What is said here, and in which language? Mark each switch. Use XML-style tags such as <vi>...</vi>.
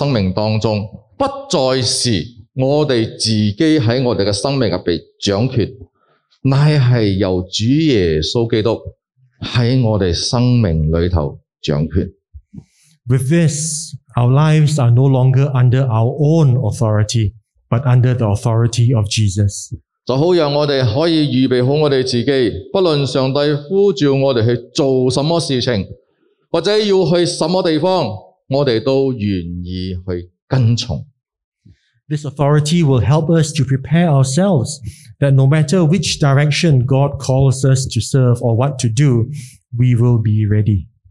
<zh>当这样做之后，表示在我们的生命当中不再是 我们自己在我们的生命里掌权，乃是由主耶稣基督在我们生命里头掌权。</zh> <en>With this, our lives are no longer under our own authority, but under the authority of Jesus.</en> <zh>就好让我们可以预备好我们自己，不论上帝呼召我们去做什么事情，或者要去什么地方，我们都愿意去跟从。</zh> <en>This authority will help us to prepare ourselves that no matter which direction God calls us to serve or what to do, we will be ready.</en>